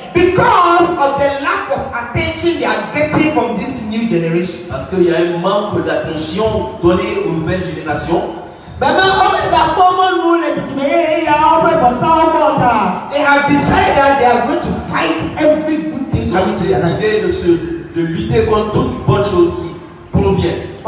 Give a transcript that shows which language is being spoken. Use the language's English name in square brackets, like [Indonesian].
[English] Because of the lack of attention they are getting from this new generation. [French] Parce qu'il y a un manque d'attention donné aux nouvelles générations. [English] They have decided that they are going to fight every good thing. [French] Ils ont décidé de lutter contre toute bonne chose qui provient.